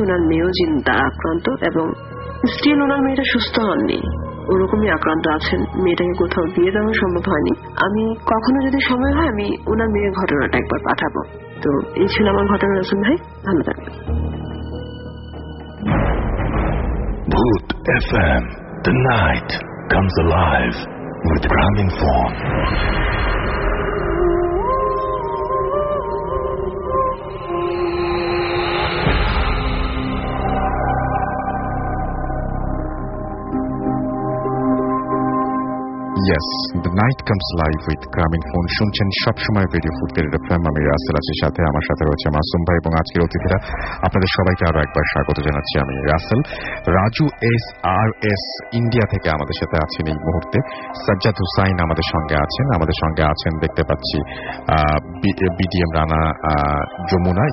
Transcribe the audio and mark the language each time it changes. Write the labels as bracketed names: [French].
[Bangla] ওনার মেয়েও জিন দ্বারা আক্রান্ত এবং স্টিল ওনার মেয়েটা সুস্থ হননি, ওরকমই আক্রান্ত আছেন। মেয়েটাকে কোথাও দিয়ে দেওয়া সম্ভব হয়নি। আমি কখনো যদি সময় হয় আমি ওনার মেয়ের ঘটনাটা একবার পাঠাবো। তো এই ছিল আমার ঘটনা রসুন ভাই, ভালো থাকবেন। [English] Bhoot FM, the night comes alive with Gramophone. Yes, the night comes alive with Gramophone. [Bangla] শুনছেন সবসময় রেডিও ফুটবল এফএম, আমি রাসেল আছি, সাথে আমার সাথে রয়েছে মাসুম ভাই এবং আজকের অতিথিরা। আপনাদের সবাইকে আরো একবার স্বাগত জানাচ্ছি, আমি রাসেল। রাজু এস আর এস ইন্ডিয়া থেকে আমাদের সাথে আছেন এই মুহূর্তে, সাজ্জাদ হুসাইন আমাদের সঙ্গে আছেন, আমাদের সঙ্গে আছেন দেখতে পাচ্ছি বিডিএম রানা যমুনা।